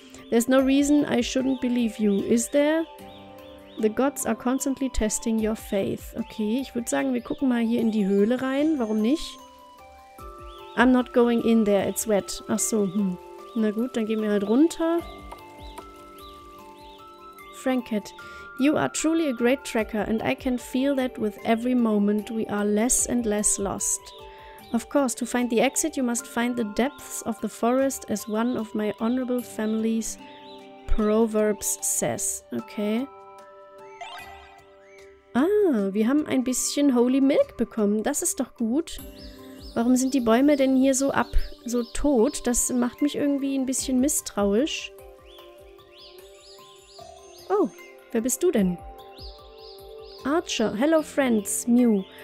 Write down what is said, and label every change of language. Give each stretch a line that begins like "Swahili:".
English: There's no reason I shouldn't believe you, is there? The gods are constantly testing your faith.
German: Okay, ich würde sagen, wir gucken mal hier in die Höhle rein. Warum nicht?
English: I'm not going in there, it's wet.
German: Ach so, Na gut, dann gehen wir halt runter.
English: Frankett, you are truly a great tracker and I can feel that with every moment we are less and less lost. Of course, to find the exit you must find the depths of the forest as one of my honorable family's proverbs says. Okay.
German: Ah, wir haben ein bisschen Holy Milk bekommen. Das ist doch gut. Warum sind die Bäume denn hier so ab, so tot? Das macht mich irgendwie ein bisschen misstrauisch. Oh, wer bist du denn? Archer,
English: hello friends,
German: Mew.